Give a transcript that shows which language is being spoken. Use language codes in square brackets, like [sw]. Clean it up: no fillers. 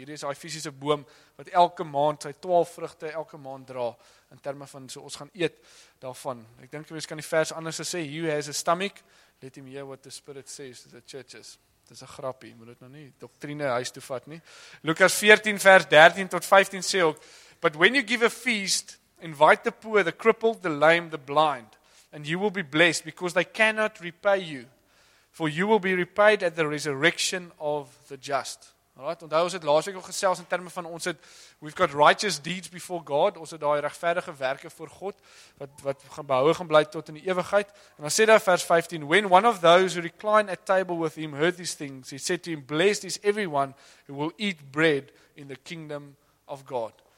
[af] Hier is die fysische boom, wat elke maand sy 12 vruchte elke maand dra, in termen van so ons gaan eet daarvan. Ek denk, mens kan die vers anders sê, [en] he has a stomach, let him hear what the Spirit says to the churches. [af] Dit is een grapie, moet dit nou nie doctrine huis toevat nie. Lukas 14 vers 13 tot 15 sê ook, [en] but when you give a feast, invite the poor, the crippled, the lame, the blind, and you will be blessed, because they cannot repay you. For you will be repaid at the resurrection of the just. [af] Alright, onthou ons het laatst week al gesels in termen van ons het, [en] we've got righteous deeds before God, [af] ons het daar rechtvaardige werke voor God, wat gaan behou gaan bly tot in die ewigheid. En dan sê daar vers 15, [en] when one of those who reclined at table with him heard these things, he said to him, blessed is everyone who will eat bread in the kingdom of God.